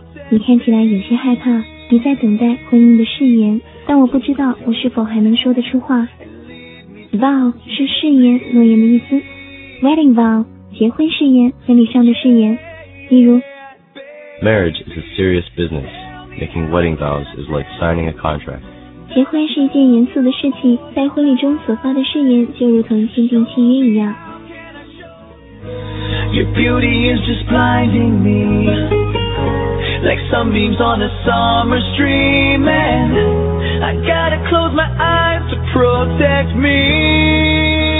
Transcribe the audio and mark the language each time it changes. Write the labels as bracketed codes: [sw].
[zh] 你看起来有些害怕，你在等待婚姻的誓言，但我不知道我是否还能说得出话。 Vow 是誓言、诺言的意思。Wedding vow 结婚誓言、婚礼上的誓言。例如 [en] Marriage is a serious business. Making wedding vows is like signing a contract. [zh] 结婚是一件严肃的事情，在婚礼中所发的誓言就如同签订契约一样。 [en] Your beauty is just blinding me Like sunbeams on a summer's dream And I gotta close my eyes to protect me